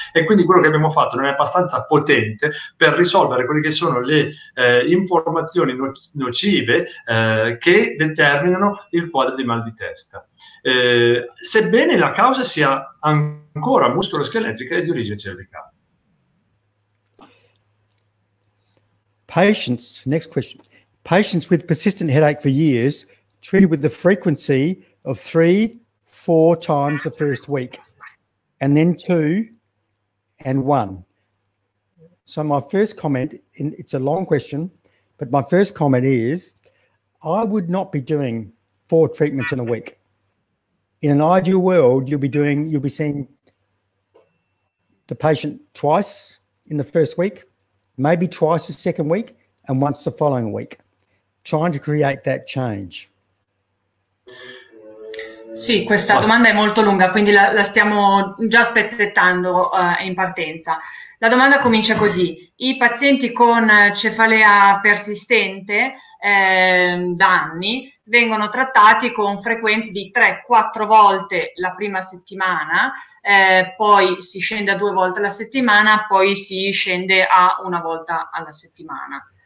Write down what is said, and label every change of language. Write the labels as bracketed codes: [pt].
[it] E quindi quello che abbiamo fatto non è abbastanza potente per risolvere quelle che sono le informazioni nocive che determinano il quadro di mal di testa. Sebbene la causa sia ancora muscolo-scheletrica e di origine cervicale. [en] Patients, next question. Patients with persistent headache for years, treated with the frequency of 3-4 times the first week, and then 2 and 1. So my first comment, it's a long question, but my first comment is, I would not be doing 4 treatments in a week. In an ideal world, you'll be seeing the patient twice in the first week, maybe twice the second week, and once the following week, trying to create that change. [it] Sì, questa domanda è molto lunga, quindi la stiamo già spezzettando in partenza. La domanda comincia così: i pazienti con cefalea persistente da anni vengono trattati con frequenze di 3-4 volte la prima settimana, poi si scende a 2 volte alla settimana, poi si scende a 1 volta alla settimana.